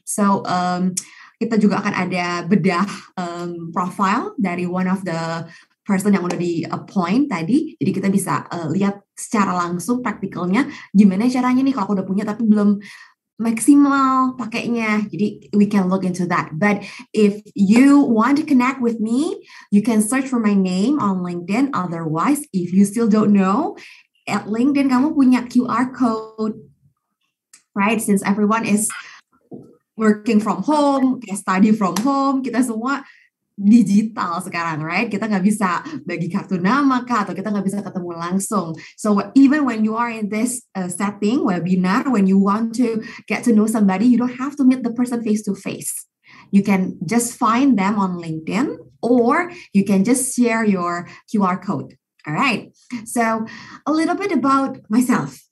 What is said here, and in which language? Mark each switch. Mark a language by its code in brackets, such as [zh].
[id] So kita juga akan ada bedah profile dari [en] one of the person [id] yang udah di appoint tadi, jadi kita bisa lihat secara langsung praktikalnya gimana caranya nih kalau aku udah punya tapi belum maksimal pakainya. [en] Jadi we can look into that. But if you want to connect with me, you can search for my name on LinkedIn. Otherwise, if you still don't know, at LinkedIn [id] kamu punya [en] QR code, right? Since everyone is working from home, kayak study from home, [id] kita semua digital sekarang, [en] right? [id] Kita nggak bisa bagi kartu nama kah, atau kita nggak bisa ketemu langsung. [en] So even when you are in this setting, webinar, when you want to get to know somebody, you don't have to meet the person face to face. You can just find them on LinkedIn, or you can just share your QR code. All right, so a little bit about myself.